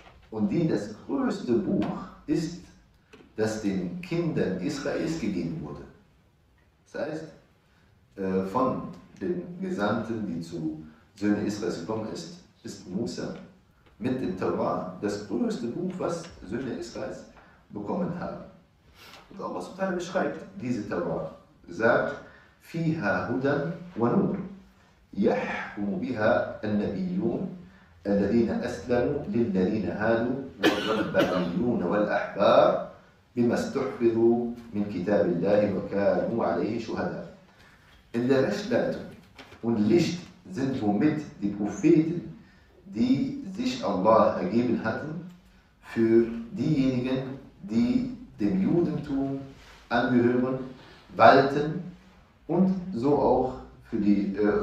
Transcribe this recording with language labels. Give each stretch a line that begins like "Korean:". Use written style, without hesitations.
German: Und die das größte Buch ist, das den Kindern Israels gegeben wurde. Das heißt, von den Gesandten, die zu Söhnen Israels gekommen ist, ist Musa mit dem Torah das größte Buch, was Söhne Israels bekommen haben. Und Allah subhanahu wa ta'ala beschreibt diese Torah, sagt,
Arabic: فيها هدى ونور يحكم بها النبيون الذين أسلموا للذين هادوا والربانيون والأحبار بما استحفظوا من كتاب الله وكانوا عليه شهداء.
German: In der Rechtleitung und Licht sind womit die Propheten, die sich Allah ergeben hatten, für diejenigen, die dem Judentum angehören, walten, und so auch für die,